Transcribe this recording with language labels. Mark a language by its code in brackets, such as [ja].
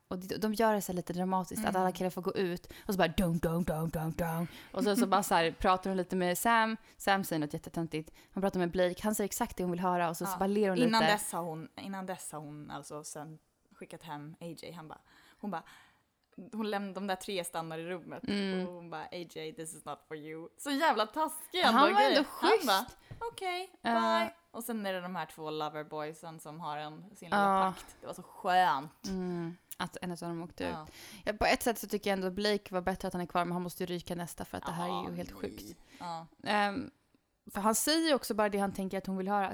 [sv] Och de gör det så lite dramatiskt att alla killar får gå ut. Och så bara dum, dum, dum, dum, dum. Och så bara så här, pratar hon lite med Sam. Sam säger något jättetöntigt. Hon pratar med Blake. Han säger exakt det hon vill höra. Och så bara ler hon innan lite. Innan dess har hon alltså sen skickat hem AJ. Hon lämnade de där 3 stannar i rummet. Och hon bara, [en] AJ, this is not for you. [sv] Så jävla taskig ändå. Han var ändå schysst. Okej, bye. Och sen är det de här 2 loverboysen som har sin lilla pakt. Det var så skönt. Att en av dem åkte ut. Ja, på ett sätt så tycker jag ändå att Blake var bättre att han är kvar, men han måste ju ryka nästa för att det här är ju helt sjukt. För han säger ju också bara det han tänker att hon vill höra.